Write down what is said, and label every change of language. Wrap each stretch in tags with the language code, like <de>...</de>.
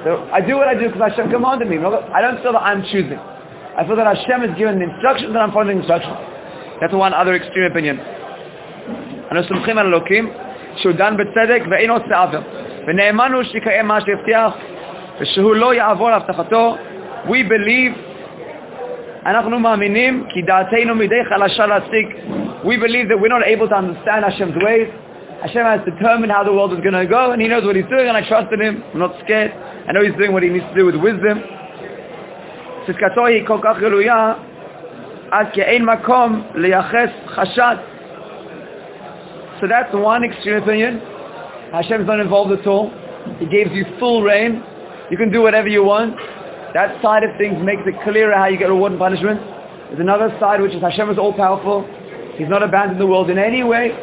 <en>So I do what I do because Hashem commanded me. I don't feel that I'm choosing. I feel that Hashem has given the instructions and I'm following the instructions. That's one other extreme opinion.</en> <he>אנחנו סומכים על אלוקים שהוא דן בצדק ואין עושה עוול ונאמנו שיקיים מה שהבטיח ושהוא לא יעבור להבטחתו.</he> <en>We believe,</en> <he>אנחנו מאמינים כי דעתנו מדי חלשה להסיק.</he> <en>We believe that we're not able to understand Hashem's ways. Hashem has determined how the world is going to go and He knows what He's doing and I trust in Him. I'm not scared. I know He's doing what He needs to do with wisdom.</en> <he>צדקתו היא כל כך גלויה עד כי אין מקום לייחס חשד.</he> <en>So that's one extreme opinion. Hashem is not involved at all. He gives you full reign. You can do whatever you want. That side of things makes it clearer how you get reward and punishment. There's another side which is Hashem is all-powerful. He's not abandoned the world in any way.</en>